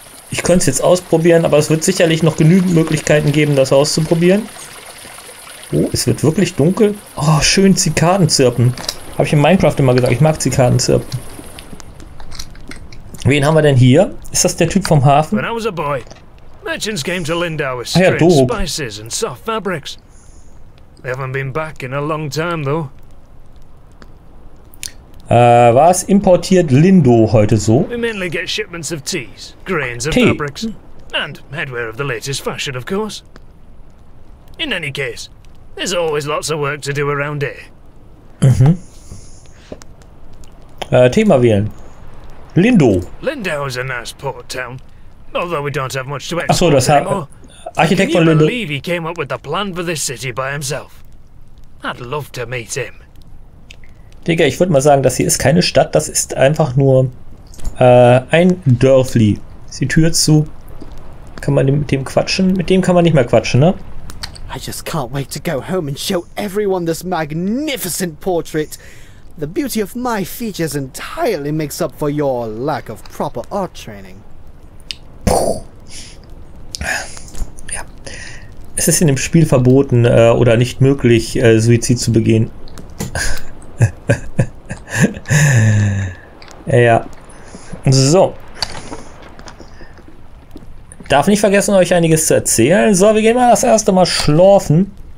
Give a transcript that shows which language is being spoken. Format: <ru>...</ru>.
<de>Ich könnte es jetzt ausprobieren, aber es wird sicherlich noch genügend Möglichkeiten geben, das auszuprobieren. Oh, es wird wirklich dunkel. Oh, schön Zikaden zirpen. Habe ich in Minecraft immer gesagt, ich mag Zikadenzirpen. Wen haben wir denn hier? Ist das der Typ vom Hafen?</de> <en>When I was a boy, merchants came to Lindau with spices and soft fabrics. They haven't been back in a long time though.</en> <de>Was importiert Lindau heute so?</de> <en>We mainly get shipments of teas, grains and fabrics. And headwear of the latest fashion, of course. In any case, there's always lots of work to do around here. Mhm.</en> <de>Thema wählen. Lindau.</de> <en>Lindau is a nice port town, although we don't have much to</en> <de>export. Ach so, das hat Architekt von Lindau.</de> <en>He came up with the plan for this city by himself. I'd love to meet him.</en> <de>Digga, ich würde mal sagen, das hier ist keine Stadt, das ist einfach nur ein Dörfli. Ist die Tür zu? Kann man mit dem quatschen? Mit dem kann man nicht mehr quatschen, ne?</de> <en>I just can't wait to go home and show everyone this magnificent portrait. The beauty of my features entirely makes up for your lack of proper art training.</en> <de>Ja. Es ist in dem Spiel verboten oder nicht möglich, Suizid zu begehen. Ja. So. Darf nicht vergessen, euch einiges zu erzählen. So, wir gehen mal das erste Mal schlafen.</de>